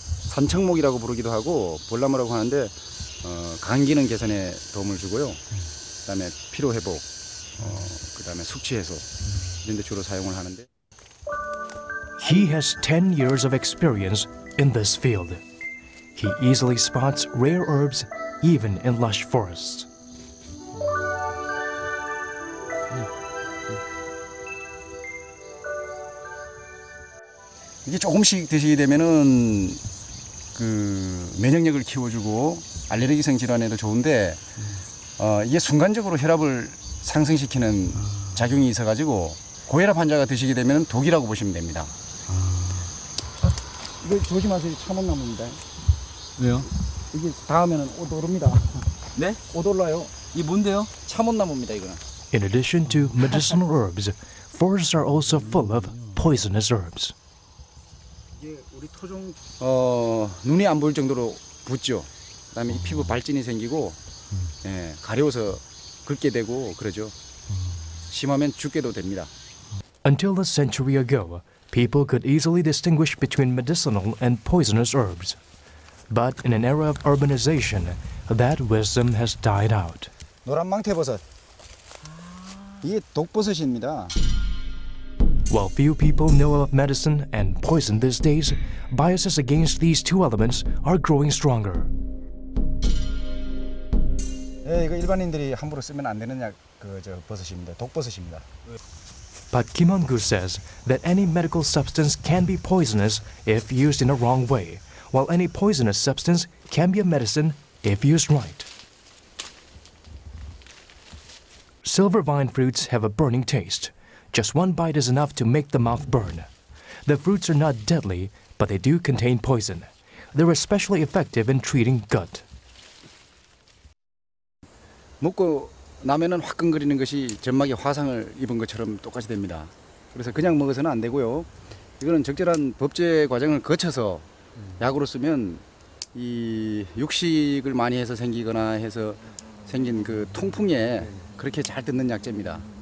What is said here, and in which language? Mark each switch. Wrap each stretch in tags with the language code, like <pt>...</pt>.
<ko>산청목이라고 부르기도 하고 벌나무라고 하는데 간 기능 개선에 도움을 주고요. 그다음에 피로 회복, 그다음에 숙취 해소 이런 데 주로 사용을 하는데.</ko> <en>He has 10 years of experience in this field. He easily spots rare herbs, even in lush forests. This</en> <ko>조금씩 드시게 되면은 그 면역력을 키워주고 알레르기성 질환에도 좋은데 이게 순간적으로 혈압을 상승시키는 작용이 있어가지고 고혈압 환자가 드시게 되면은 독이라고 보시면 됩니다. 이거 조심하세요. 참혹나무입니다. 왜요? 이게 닿으면 옷 오릅니다. 네? 옷 올라요. 이게 뭔데요? 참혼나무입니다, 이거는.</ko> <en>In addition to medicinal herbs, forests are also full of poisonous herbs.</en> <ko>이게 우리 토종 눈이 안 보일 정도로 붓죠. 그다음에 피부 발진이 생기고 예, 가려워서 긁게 되고 그러죠. 심하면 죽게도 됩니다.</ko> <en>Until a century ago, people could easily distinguish between medicinal and poisonous herbs. But in an era of urbanization, that wisdom has died out.</en> <ko>노란 망태버섯. 이게 독버섯입니다.</ko> <en>While few people know about medicine and poison these days, biases against these two elements are growing stronger.</en> <ko>예, 이거 일반인들이 함부로 쓰면 안 되는 약, 그 저 버섯입니다. 독버섯입니다.</ko> <en>But Kimongu says that any medical substance can be poisonous if used in a wrong way, while any poisonous substance can be a medicine if used right. Silver vine fruits have a burning taste. Just one bite is enough to make the mouth burn. The fruits are not deadly, but they do contain poison. They're especially effective in treating gut.</en> <ko>먹고 나면은 화끈거리는 것이 점막에 화상을 입은 것처럼 똑같이 됩니다. 그래서 그냥 먹어서는 안 되고요. 이거는 적절한 법제 과정을 거쳐서 약으로 쓰면 이 육식을 많이 해서 생기거나 해서 생긴 그 통풍에 그렇게 잘 듣는 약재입니다.</ko>